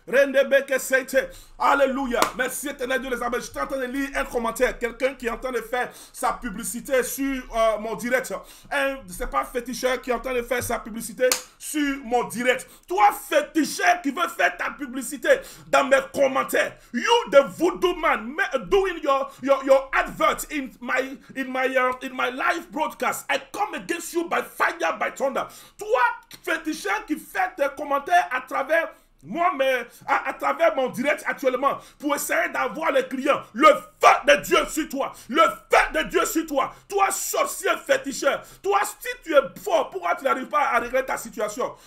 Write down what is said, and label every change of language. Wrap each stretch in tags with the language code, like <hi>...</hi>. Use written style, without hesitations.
<ln>Rende beke sete.</ln> <fr>Alléluia. Merci éternel Dieu les amis. Je suis en train de lire un commentaire. Quelqu'un qui est en train de faire sa publicité sur mon direct. C'est pas féticheur qui est en train de faire sa publicité sur mon direct. Toi féticheur qui veut faire ta publicité dans mes commentaires.</fr> <en>You the voodoo man doing your advert in my live broadcast. I come against you by fire, by thunder.</en> <fr>Toi féticheur qui fait tes commentaires à travers moi, mais à travers mon direct actuellement, pour essayer d'avoir les clients, le feu de Dieu sur toi, le feu de Dieu sur toi, toi sorcier féticheur, toi si tu es fort, pourquoi tu n'arrives pas à régler ta situation?</fr>